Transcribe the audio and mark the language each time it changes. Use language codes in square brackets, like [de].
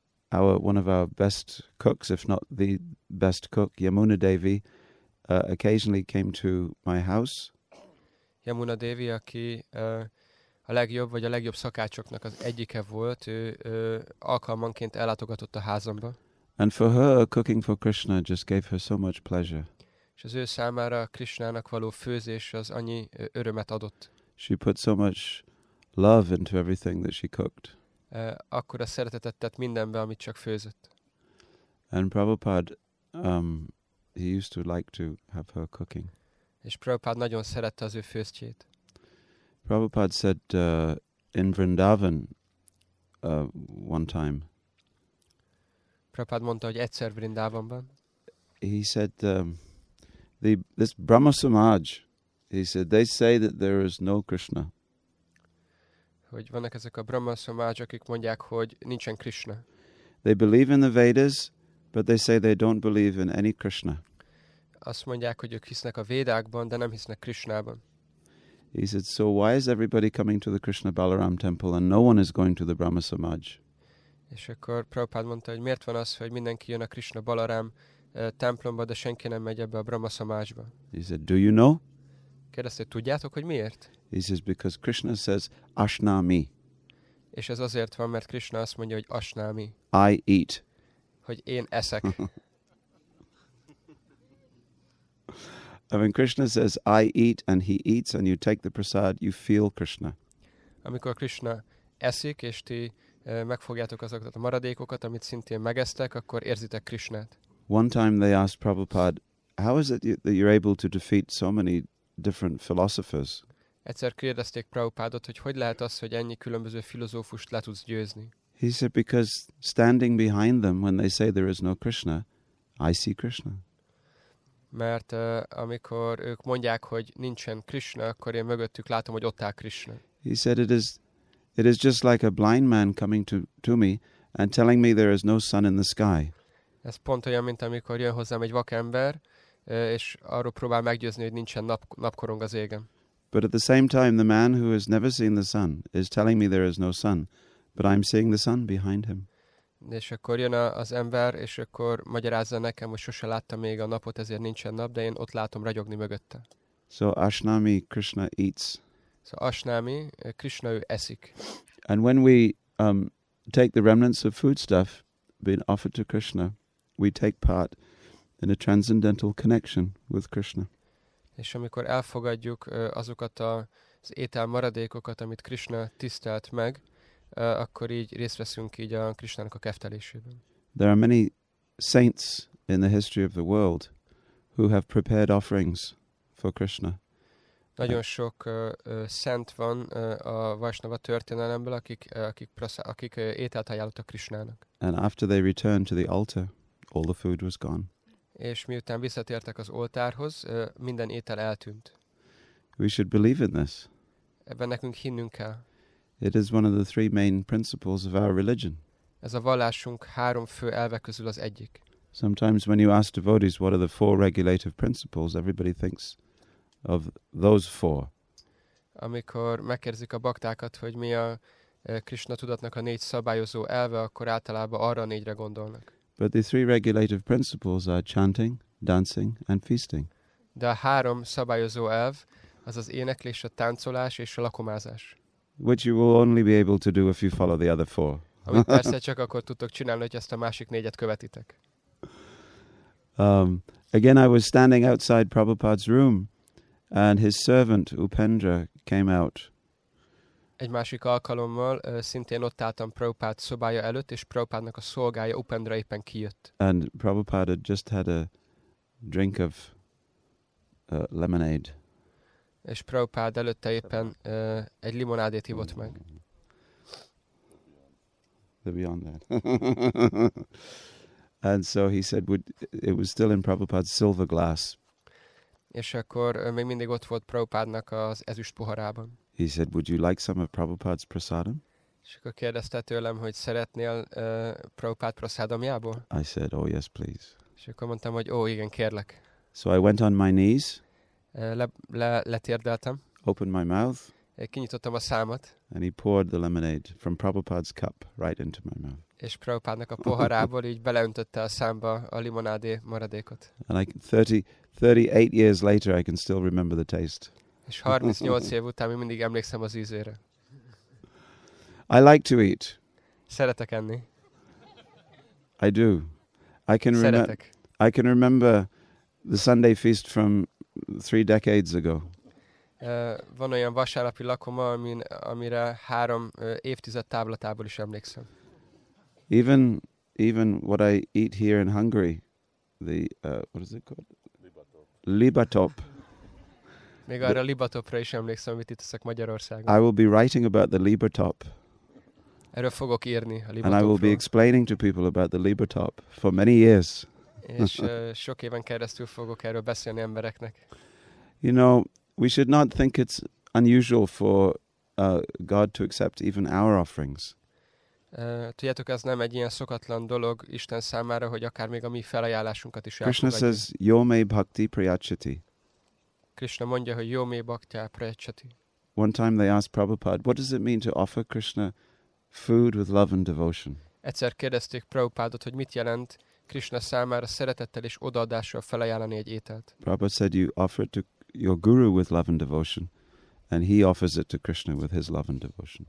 [en] One of our best cooks, if not the best cook, Yamuna Devi, occasionally came to my house. [hu] Yamuna Devi, aki a legjobb vagy a legjobb szakácsoknak az egyike volt, ő alkalmanként ellátogatott a házamba. [en] And for her, cooking for Krishna just gave her so much pleasure. [hu] És az ő számára Krishnának való főzés az annyi örömet adott. [en] She put so much love into everything that she cooked. [hu] Akkora szeretetet tett mindenbe, amit csak főzött. [en] And Prabhupada, he used to like to have her cooking. [hu] És Prabhupada nagyon szerette az ő főztjét. [en] Prabhupada said in Vrindavan one time. [hu] Prabhupada mondta, hogy egyszer Vrindavanban. [en] He said this Brahma Samaj. He said, they say that there is no Krishna. [hu] Hogy vannak ezek a Brahma Samaj, akik mondják, hogy nincsen Krishna. [en] They believe in the Vedas, but they say they don't believe in any Krishna. [hu] Azt mondják, hogy ők hisznek a Védákban, de nem hisznek Krishnában. [en] He said, so why is everybody coming to the Krishna Balaram temple and no one is going to the Brahma Samaj? [hu] És akkor Prabhupada mondta, hogy miért van az, hogy mindenki jön a Krishna Balaram templomba, de senki nem megy ebbe a Brahma Samajba. [en] He said, do you know? [hu] Kérdezte, tudjátok, hogy miért? [en] He says, because Krishna says, ashnami. [hu] És ez azért van, mert Krishna azt mondja, hogy ashnami. [en] I eat. [hu] Hogy én eszek. [en] I mean, Krishna says, I eat, and he eats, and you take the prasad, you feel Krishna. [hu] Amikor Krishna eszik, és ti megfogjátok azokat a maradékokat, amit szintén megesztek, akkor érzitek Krishnát. [en] One time they asked Prabhupada, how is it that you're able to defeat so many different philosophers? [hu] Egyszer kérdezték Prabhupádot, hogy hogy lehet az, hogy ennyi különböző filozófust le tudsz győzni. [en] He said, because standing behind them, when they say there is no Krishna, I see Krishna. [hu] Mert amikor ők mondják, hogy nincsen Krishna, akkor én mögöttük látom, hogy ott áll Krishna. [en] He said, it is just like a blind man coming to me and telling me there is no sun in the sky. [hu] Ez pont olyan, mint amikor jön hozzám egy vakember, és arról próbál meggyőzni, hogy nincsen napkorong az égen. [en] But at the same time, the man who has never seen the sun is telling me there is no sun, but I'm seeing the sun behind him. [hu] És akkor jön az ember, és akkor magyarázza nekem, hogy sose láttam még a napot, ezért nincsen nap, de én ott látom ragyogni mögötte. [en] So ashnami, Krishna eats. [hu] So ashnami, Krishna ő eszik. [en] And when we take the remnants of foodstuff being offered to Krishna, we take part in a transcendental connection with Krishna. [hu] És amikor elfogadjuk azokat az étel maradékokat, amit Krishna tisztelt meg, akkor így részt veszünk így a Krishnának a keftelésében. [en] There are many saints in the history of the world who have prepared offerings for Krishna. [hu] Nagyon sok szent van a Vaishnava történelemből, akik ételt ajánlottak Krishnának. [en] And after they returned to the altar, all the food was gone. [hu] És miután visszatértek az oltárhoz, minden étel eltűnt. [en] We should believe in this. [hu] Ebben nekünk hinnünk kell. [en] It is one of the three main principles of our religion. [hu] Ez a vallásunk három fő elve közül az egyik. [en] Sometimes when you ask devotees what are the four regulative principles, everybody thinks of those four. [hu] Amikor megkérdezik a baktákat, hogy mi a Krishna tudatnak a négy szabályozó elve, akkor általában arra a négyre gondolnak. [en] But the three regulative principles are chanting, dancing, and feasting. [hu] De a három szabályozó elv, az az éneklés, a táncolás és a lakomázás. [en] Which you will only be able to do if you follow the other four. [hu] Amit persze csak akkor tudtok csinálni, hogy ezt a másik négyet követitek. [en] Again, I was standing outside Prabhupada's room, and his servant Upendra came out. [hu] Egy másik alkalommal szintén ott álltam Prabhupád szobája előtt, és Prabhupádnak a szolgája Upendra éppen kijött. [en] And Prabhupada just had a drink of lemonade. [hu] És Prabhupád előtte éppen egy limonádét hívott meg. [en] They're beyond that. And so he said, it was still in Prabhupád's silver glass. [hu] És akkor még mindig ott volt Prabhupádnak az ezüst poharában. [en] He said, would you like some of Prabhupada's prasadam? [hu] És akkor kérdezte tőlem, hogy szeretnél Prabhupád prasadamjából? [en] I said, oh yes, please. [hu] És akkor mondtam, hogy ó, igen, kérlek. [en] So I went on my knees. [hu] Letérdeltem. [en] Opened my mouth. [hu] Kinyitottam a számat. [en] And he poured the lemonade from Prabhupada's cup right into my mouth. [hu] És Prabhupádnak a poharából így beleöntötte a számba a limonádé maradékot. [en] And 38 years later, I can still remember the taste. [hu] És 38 év után még mindig emlékszem az ízére. [en] I like to eat. [hu] Szeretek enni. [en] I do. I can [hu] Szeretek. [en] I can remember the Sunday feast from 3 decades ago. [hu] Van olyan vasárnapi lakoma, amire 3 évtized távlatából is emlékszem. [en] Even what I eat here in Hungary, what is it called? [hu] Libatop. Még arra a Libatopra is emlékszem, amit itt teszek Magyarországon. [en] I will be writing about the Libatop. [hu] Erről fogok írni a Libatopról. [en] And I will be explaining to people about the Libatop for many years. [hu] És sok éven keresztül fogok erről beszélni embereknek. [en] You know, we should not think it's unusual for God to accept even our offerings. [hu] Tudjátok, ez nem egy ilyen szokatlan dolog Isten számára, hogy akár még a mi felajánlásunkat is elfogadjuk. [en] Krishna says, [sa] yo me bhakti priyachati. [hu] Krishna mondja, hogy [sa] jó mély baktya prajacchati. [en] One time they asked Prabhupada, what does it mean to offer Krishna food with love and devotion? [hu] Egyszer kérdezték Prabhupádot, hogy mit jelent Krishna számára szeretettel és odaadással felajánlani egy ételt. [en] Prabhupada said you offer it to your guru with love and devotion, and he offers it to Krishna with his love and devotion.